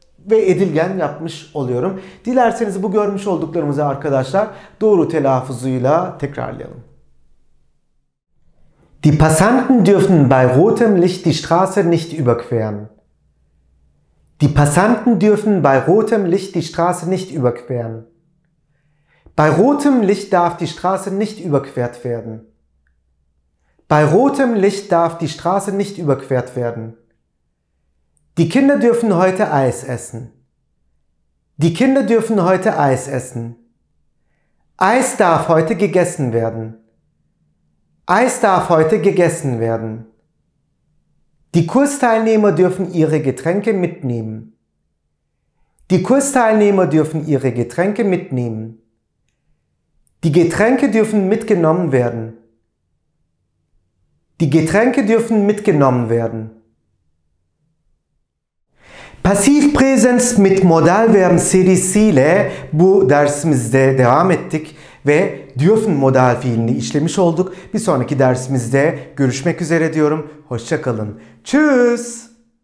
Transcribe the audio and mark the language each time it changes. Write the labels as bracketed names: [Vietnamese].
[Turkish] Ve edilgen yapmış oluyorum. Dilerseniz bu görmüş olduklarımızı arkadaşlar doğru telaffuzuyla tekrarlayalım. [German] Die Passanten dürfen bei rotem Licht die Straße nicht überqueren. Die Passanten dürfen bei rotem Licht die Straße nicht überqueren. Bei rotem Licht darf die Straße nicht überquert werden. Bei rotem Licht darf die Straße nicht überquert werden. Die Kinder dürfen heute Eis essen. Die Kinder dürfen heute Eis essen. Eis darf heute gegessen werden. Eis darf heute gegessen werden. Die Kursteilnehmer dürfen ihre Getränke mitnehmen. Die Kursteilnehmer dürfen ihre Getränke mitnehmen. Die Getränke dürfen mitgenommen werden. Die Getränke dürfen mitgenommen werden. Passivpräsens mit Modalverben [Turkish] CDC ile bu dersimizde devam ettik ve dürfen modal fiilini işlemiş olduk. Bir sonraki dersimizde görüşmek üzere diyorum. Hoşça kalın. Tschüss!